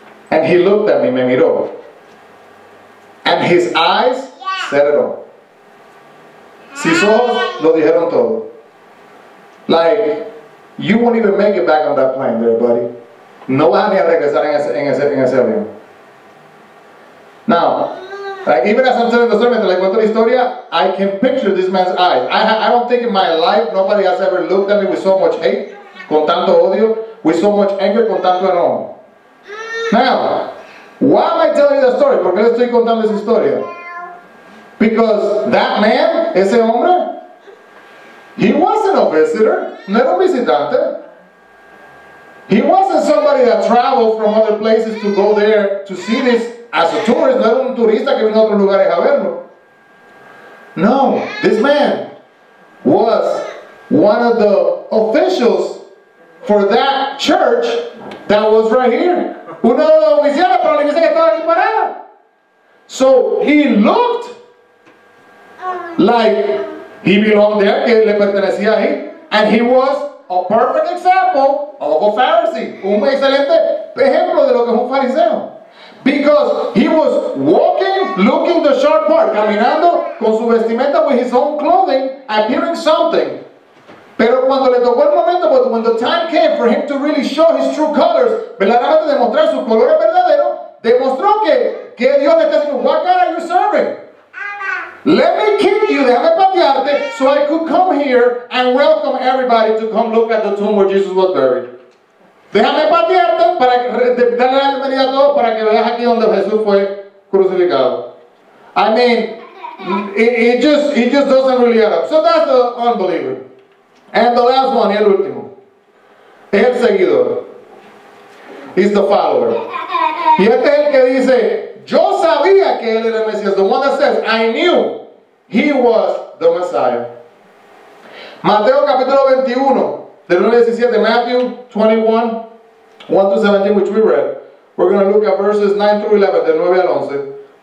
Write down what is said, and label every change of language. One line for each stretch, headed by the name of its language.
English: And he looked at me,
Spanish: me miró.
English: And his eyes said it all.
Spanish: Sus ojos lo dijeron todo.
English: Like, you won't even make it back on that plane there, buddy.
Spanish: No vas ni a regresar en ese avión.
English: Now, like, even as I'm telling the sermon, like,
Spanish: cuento la historia,
English: I can picture this man's eyes. I don't think in my life nobody has ever looked at me with so much hate,
Spanish: con tanto odio,
English: with so much anger,
Spanish: con tanto enojo.
English: Now, why am I telling you the story?
Spanish: ¿Por qué le estoy contando esa historia?
English: Because that man,
Spanish: ese hombre,
English: he wasn't a visitor,
Spanish: no era un visitante.
English: He wasn't somebody that traveled from other places to go there to see this as a tourist,
Spanish: no era un turista que vino a otro lugar a verlo.
English: No, this man was one of the officials for that church that was right here.
Spanish: Uno de los oficiales para la iglesia que estaba aquí parada.
English: So he looked like he belonged there,
Spanish: que le pertenecía ahí,
English: and he was a perfect example of a Pharisee.
Spanish: Un excelente ejemplo de lo que es un fariseo.
English: Because he was walking, looking the sharp part,
Spanish: caminando con su vestimenta,
English: with his own clothing, appearing something.
Spanish: Pero cuando le tocó el momento,
English: when the time came for him to really show his true colors,
Spanish: verdaderamente demostrar sus colores verdaderos, demostró que Dios le está diciendo,
English: what God are you serving? Let me kick you,
Spanish: déjame patearte,
English: so I could come here and welcome everybody to come look at the tomb where Jesus was buried.
Spanish: Déjame patearte para darle la bienvenida a todos para que veas aquí donde Jesús fue crucificado.
English: I mean, it just doesn't really add up. So that's the unbeliever. And the last one,
Spanish: el último. El seguidor.
English: He's the follower.
Spanish: Y este es el que dice, yo sabía que él era el Mesías.
English: The one that says, I knew he was the Messiah.
Spanish: Mateo capítulo 21, del 1 al 17,
English: Matthew 21, 1 to 17, which we read. We're going to look at verses 9 through 11,
Spanish: del 9 al 11.